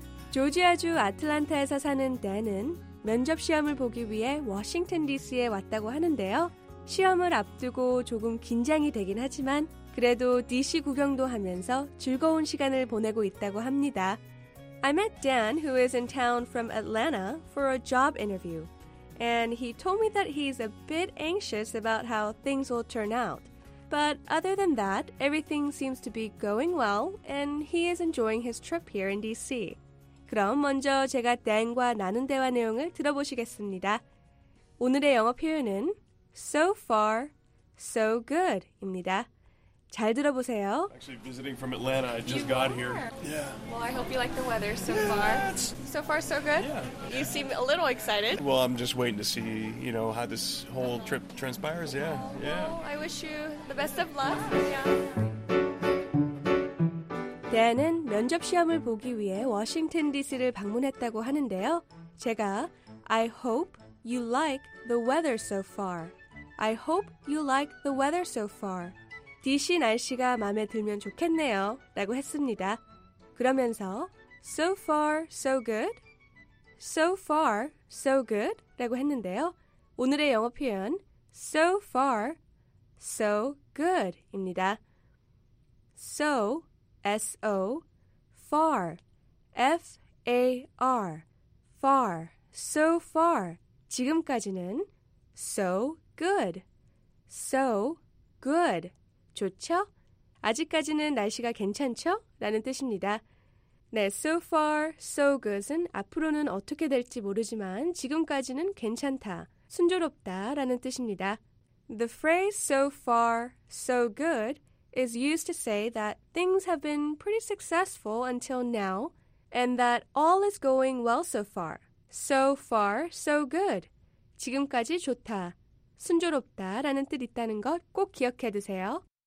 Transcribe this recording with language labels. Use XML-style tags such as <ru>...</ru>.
<ko>조지아주 아틀란타에서 사는 댄은 면접시험을 보기 위해 워싱턴 DC에 왔다고 하는데요. 시험을 앞두고 조금 긴장이 되긴 하지만 그래도 DC 구경도 하면서 즐거운 시간을 보내고 있다고 합니다.</ko> <en>I met Dan, who is in town from Atlanta, for a job interview. And he told me that he's a bit anxious about how things will turn out. But other than that, everything seems to be going well, and he is enjoying his trip here in DC.</en> <ko>그럼 먼저 제가 Dan과 나눈 대화 내용을 들어보시겠습니다. 오늘의 영어 표현은</ko> <en>So far, so good</en> <ko>입니다. 잘 들어보세요.</ko> <en>Actually visiting from Atlanta. I just got here. Yeah. Well, I hope you like the weather so far. So far, so good? Yeah. You seem a little excited. Well, I'm just waiting to see, you know, how this whole trip transpires. Yeah, yeah. Well, I wish you the best of luck. Yeah.</en> <ko>Dan은 면접시험을 보기 위해 워싱턴 DC를 방문했다고 하는데요. 제가</ko> <en>I hope you like the weather so far. I hope you like the weather so far.</en> <ko>DC 날씨가 마음에 들면 좋겠네요. 라고 했습니다. 그러면서</ko> <en>so far, so good. So far, so good.</en> <ko>라고 했는데요. 오늘의 영어 표현</ko> <en>so far, so good.</en> <ko>입니다.</ko> <en>So, S-O, far. F-A-R, far, so far,</en> <ko>지금까지는</ko> <en>so good, so good,</en> <ko>좋죠? 아직까지는 날씨가 괜찮죠? 라는 뜻입니다. 네,</ko> <en>so far, so good은</en> <ko>앞으로는 어떻게 될지 모르지만 지금까지는 괜찮다, 순조롭다 라는 뜻입니다.</ko> <en>The phrase so far, so good is used to say that things have been pretty successful until now and that all is going well so far. So far, so good.</en> <ko>지금까지 좋다, 순조롭다 라는 뜻 있다는 것 꼭 기억해 두세요.</ko>